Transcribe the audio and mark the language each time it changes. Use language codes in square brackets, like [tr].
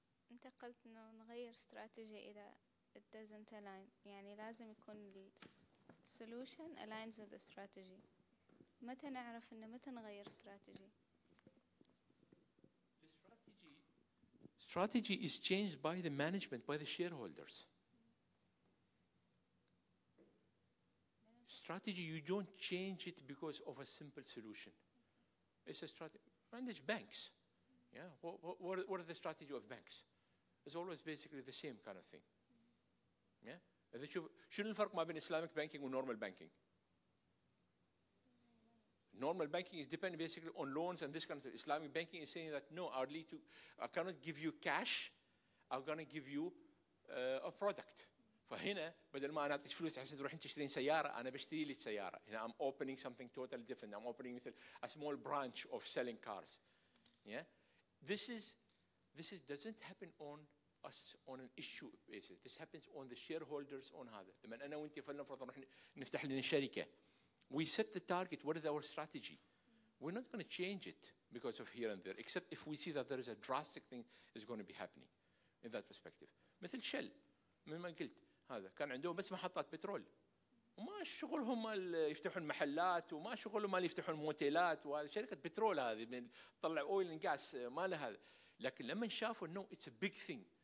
[ar] أنت قلت إنه نغير استراتيجية إذا [en] it doesn't align [ar] يعني لازم يكون [en] the solution aligns with the strategy [ar] متى نعرف إنه متى نغير استراتيجية؟ [en] Strategy is changed by the management by the shareholders. Strategy you don't change it because of a simple solution. It's a strategy. Manage banks. Yeah. What are the strategy of banks? is always basically the same kind of thing. Yeah? [ar] شنو الفرق ما بين [en] Islamic banking و normal banking? Normal banking is depending basically on loans and this kind of thing. Islamic banking is saying that, no, I cannot give you cash, I'm going to give you a product. [ar] فهنا بدل ما أنا أعطيك فلوس حسنا تروح تشترين سيارة, أنا بشتري لك سيارة. [en] I'm opening something totally different. I'm opening a small branch of selling cars. Yeah? This doesn't happen on us on an issue basis. This happens on the shareholders on [ar] هذا. لما أنا وأنت فلنفرض نروح نفتح لنا شركة. [en] We set the target. What is our strategy? We're not going to change it because of here and there. Except if we see that there is a drastic thing is going to be happening in that perspective. [ar] مثل شل. مثل ما قلت هذا كان عندهم بس محطات بترول. وما شغلهم مال يفتحون محلات وما شغلهم مال يفتحون موتيلات. وشركة بترول هذه من طلع أويل وغاز ما لها هذا. لكن لما شافوا انه [en] it's a big thing